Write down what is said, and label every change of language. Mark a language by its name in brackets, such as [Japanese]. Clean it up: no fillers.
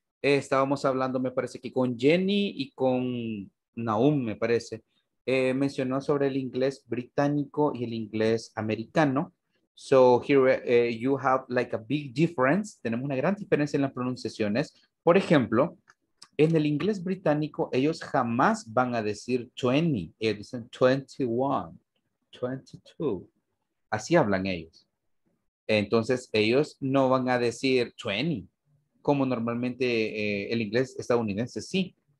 [Spanish] Estábamos hablando, me parece, que con Jenny y con Naum, me parece. Mencionó sobre el inglés británico y el inglés americano. [English] So here you have like a big difference. [Spanish] Tenemos una gran diferencia en las pronunciaciones. Por ejemplo, en el inglés británico, ellos jamás van a decir 20. Ellos dicen 21, 22. Así hablan ellos. Entonces, ellos no van a decir 20, como normalmente el inglés estadounidense sí.